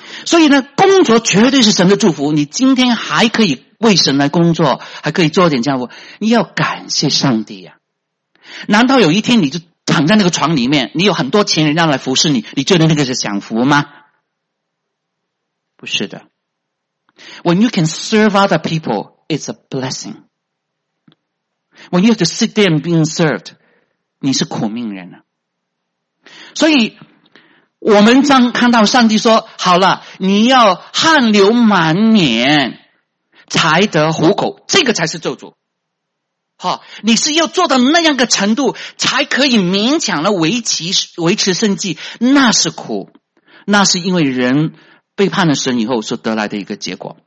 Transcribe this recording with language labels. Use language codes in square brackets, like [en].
[zh] 所以呢，工作绝对是神的祝福，你今天还可以为神来工作，还可以做点家务，你要感谢上帝啊。难道有一天你就躺在那个床里面，你有很多钱人家来服侍你，你觉得那个是享福吗？不是的。 [en] When you can serve other people, it's a blessing. When you have to sit there and being served, [zh] 你是苦命人啊。所以我们当看到上帝说好了，你要汗流满面才得糊口，这个才是咒诅。你是要做到那样的程度才可以勉强的维持生计，那是苦，那是因为人背叛了神以后所得来的一个结果。